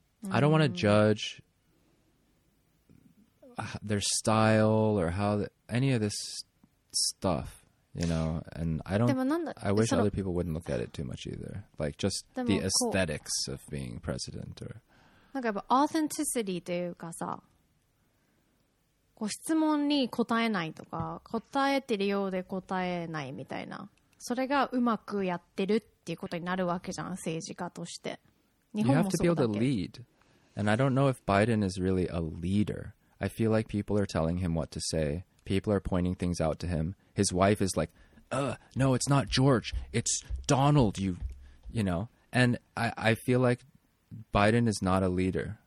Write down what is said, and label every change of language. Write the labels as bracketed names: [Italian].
[English] I don't want to judge their style or how any of this stuff, you know, and I wish other people wouldn't look at it too much either. Like just the aesthetics of being president or. [Japanese] なんかやっぱ authenticity というかさ、こう質問に答えないとか、答えてるようで答えないみたいな、それがうまくやってるっていうことになるわけじゃん、政治家として。 [English] You have to be able to lead. And I don't know if Biden is really a leader. I feel like people are telling him what to say. People are pointing things out to him. His wife is like, no, it's not George. It's Donald, you know. And I feel like Biden is not a leader.